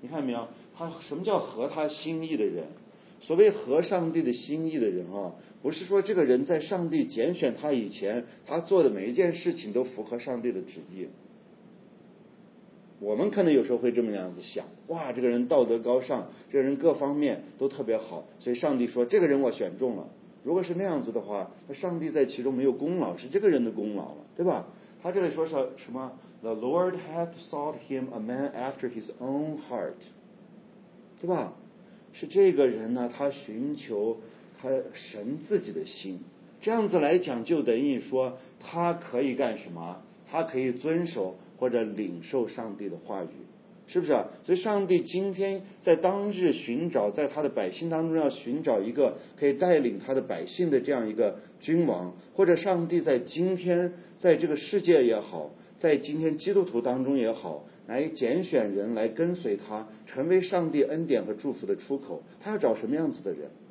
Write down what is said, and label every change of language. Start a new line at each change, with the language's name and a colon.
Chinese: 你看没有？他什么叫合他心意的人？所谓合上帝的心意的人啊，不是说这个人在上帝拣选他以前，他做的每一件事情都符合上帝的旨意。我们可能有时候会这么样子想，哇，这个人道德高尚，这个人各方面都特别好，所以上帝说这个人我选中了。如果是那样子的话，那上帝在其中没有功劳，是这个人的功劳了，对吧？他这里说是什么？
English: The Lord hath sought him a man after his own heart， 对吧？
Chinese: 是这个人呢，他寻求他神自己的心。这样子来讲，就等于说他可以干什么？他可以遵守或者领受上帝的话语，是不是？所以上帝今天在当日寻找，在他的百姓当中要寻找一个可以带领他的百姓的这样一个君王，或者上帝在今天在这个世界也好，在今天基督徒当中也好，来拣选人来跟随他，成为上帝恩典和祝福的出口，他要找什么样子的人？